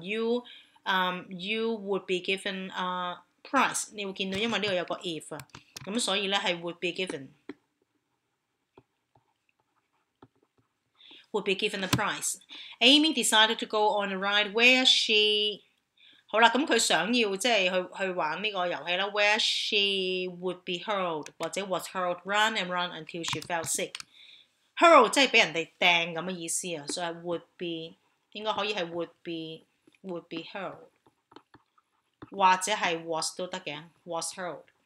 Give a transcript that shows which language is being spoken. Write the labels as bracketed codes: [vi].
[en] You would be given a prize. [yue] 你會見到，因為呢度有個 if 啊，咁所以咧係 [en] would be given a prize. Amy decided to go on a ride where she. [yue] 好啦，咁佢想要即係去玩呢個遊戲啦。 [en] Where she would be hurled， 或者 was hurled run and run until she fell sick。 [yue] Hurled 即係俾人哋掟咁嘅意思啊，所以 would be 應該可以係 [en] would be hurled， [yue] 或者係 was 都得嘅 ， [en] was hurled。